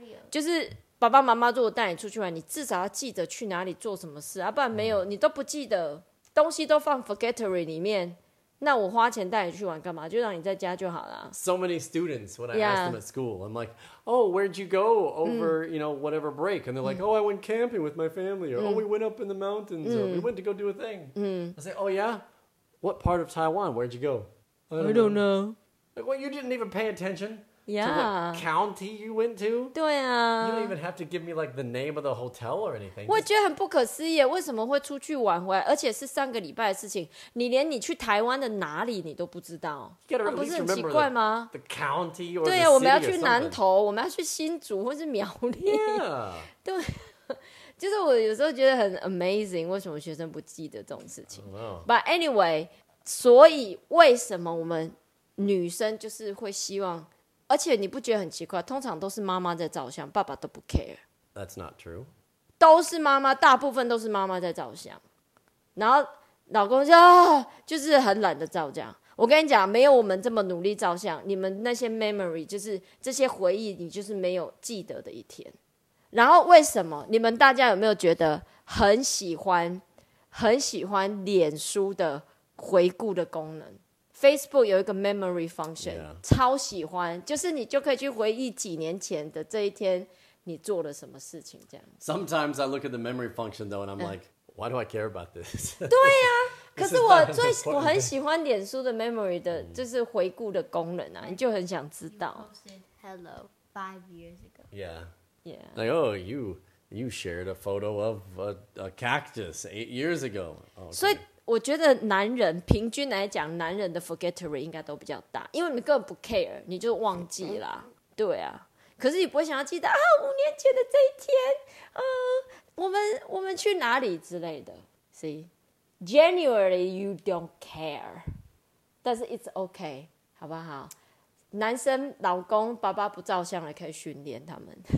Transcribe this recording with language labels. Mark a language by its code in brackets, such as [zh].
[zh] 就是爸爸妈妈如果带你出去玩，你至少要记得去哪里做什么事啊，不然没有、mm. 你都不记得，东西都放 forgettery 里面。那我花钱带你去玩干嘛？就让你在家就好了。 [en] So many students when I、yeah. ask them at school, I'm like, oh, where'd you go over,、mm. you know, whatever break? And they're like,、mm. oh, I went camping with my family, or、mm. oh, we went up in the mountains,、mm. or we went to go do a thing.、 Mm. I say, oh, yeah? What part of Taiwan? Where'd you go? I don't know. Like, well, you didn't even pay attention、 yeah. to what county you went to? [zh] 对啊。 [en] You don't even have to give me, like, the name of the hotel or anything. [zh] 我觉得很不可思议，为什么会出去玩回来，而且是上个礼拜的事情，你连你去台湾的哪里你都不知道。那不是很奇怪吗？ [en] The county or the city [zh] 对啊，我们要去南投，我们要去新竹或是苗栗。 [en] Yeah. [zh] 对。就是我有时候觉得很 amazing, 为什么学生不记得这种事情。 [en] But anyway, [zh] 所以为什么我们女生就是会希望，而且你不觉得很奇怪，通常都是妈妈在照相，爸爸都不 care。 [en] That's not true. [zh] 都是妈妈，大部分都是妈妈在照相，然后老公就、啊、就是很懒得照相。我跟你讲，没有我们这么努力照相，你们那些 memory 就是这些回忆，你就是没有记得的一天。然后为什么你们大家有没有觉得很喜欢脸书的回顾的功能？ Facebook 有一个 memory function、 [en] yeah. [zh] 超喜欢，就是你就可以去回忆几年前的这一天你做了什么事情这样。 [en] Sometimes I look at the memory function though and I'm like、嗯、why do I care about this? [zh] 对啊，可是我很喜欢脸书的 memory 的就是回顾的功能啊、嗯、你就很想知道。 [en] You posted hello 5 years ago. Yeah. Yeah. Like, oh, you shared a photo of a cactus 8 years ago. Okay. [zh] 所以我觉得男人平均来讲，男人的 forgettery 应该都比较大，因为你根本不 care， 你就忘记了。对啊，可是你不会想要记得啊，5年前的这一天，我们去哪里之类的。 [en] See, genuinely you don't care， [zh] 但是 [en] it's okay， [zh] 好不好？男生老公爸爸不照相了，可以训练他们。